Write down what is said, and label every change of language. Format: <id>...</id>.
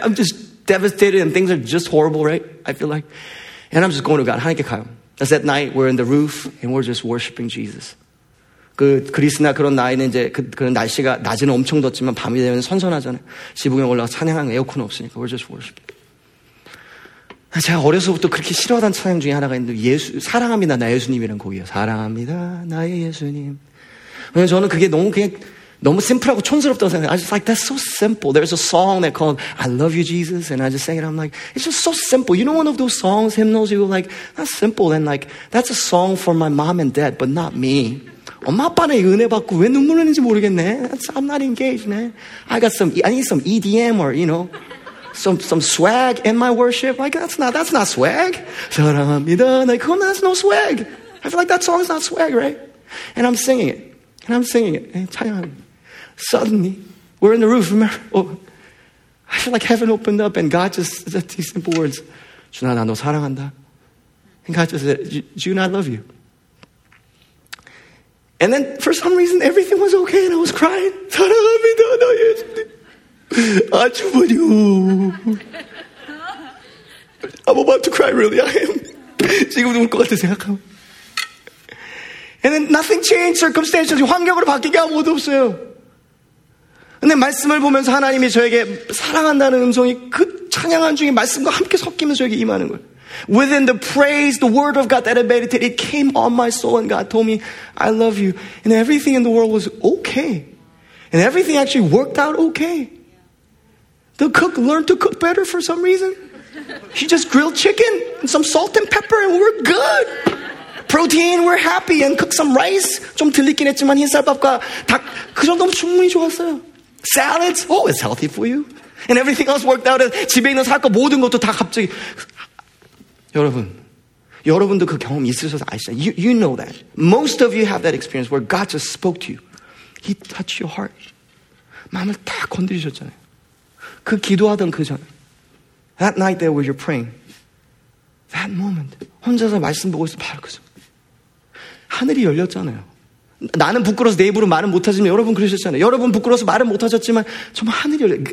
<en>I'm just devastated and things are just horrible, right? I feel like. And I'm just going to God.</en> <ko>하나님께 가요.</ko> <en>That's at night, we're in the roof and we're just worshiping Jesus.</en> <ko>그 그리스나 그런 나이는 이제 그런 날씨가 낮에는 엄청 덥지만 밤이 되면 선선하잖아요. 지붕에 올라가 찬양하는 에어컨 없으니까</ko> <en>we're just worshiping.</en> <ko>제가 어려서부터 그렇게 싫어하던 찬양 중에 하나가 있는데 예수 사랑합니다 나 예수님이라는 곡이에요. 사랑합니다 나의 예수님. 왜냐면 저는 그게 너무 그냥 너무 심플하고 촌스럽다고 생각해요.</ko> <en>I just like that's so simple. There's a song that called I Love You Jesus and I just sang it. I'm like it's just so simple. You know one of those songs, hymnals, you go like that's simple and like that's a song for my mom and dad, but not me.</en> <ko>엄마 아빠는 은혜 받고 왜 눈물 흘리는지 모르겠네.</ko> <en>I'm not engaged, man. I need some EDM or you know some swag in my worship. Like that's not swag. 사랑합니다. Like oh, that's no swag. I feel like that song is not swag, right? And I'm singing it. And I'm singing it. And 찬양하고. Suddenly, we're in the roof. Remember? Oh, I feel like heaven opened up, and God just said these simple words.</en> <ko>주나 나 너 사랑한다.</ko> <en>And God just said, June, I love you. And then, for some reason, everything was okay, and I was crying.</en> <ko>사랑합니다, 나 예수님. 아주 버려.</ko> <en>I'm about to cry, really. I am.</en> <ko>지금도 울 것 같아, 생각하고.</ko> <en>And then nothing changed circumstances.</en> <ko>환경으로 바뀌게 아무것도 없어요. 근데 말씀을 보면서 하나님이 저에게 사랑한다는 음성이 그 찬양한 중에 말씀과 함께 섞이면서 저에게 임하는 거예요.</ko> <en>Within the praise, the word of God that I meditated, it came on my soul and God told me, I love you. And everything in the world was okay. And everything actually worked out okay. The cook learned to cook better for some reason. He just grilled chicken and some salt and pepper and we're good. Protein, we're happy. And cook some rice.</en> <ko>좀 들리긴 했지만 흰쌀밥과 닭, 그 정도면 충분히 좋았어요.</ko> <en>Salads, oh, it's healthy for you. And everything else worked out.</en> <ko>집에 있는 사과 모든 것도 다 갑자기. 여러분, 여러분도 그 경험 있으셔서 아시죠?</ko> <en>You know that. Most of you have that experience where God just spoke to you. He touched your heart.</en> <ko>마음을 다 건드리셨잖아요. 그 기도하던 그 전에.</ko> <en>That night there where you're praying. That moment.</en> <ko>혼자서 말씀 보고 있어 바로 그 전에. 하늘이 열렸잖아요. 나는 부끄러워서 내 입으로 말은 못하지만 여러분 그러셨잖아요. 여러분 부끄러워서 말은 못하셨지만 정말 하늘이 열렸어요.</ko>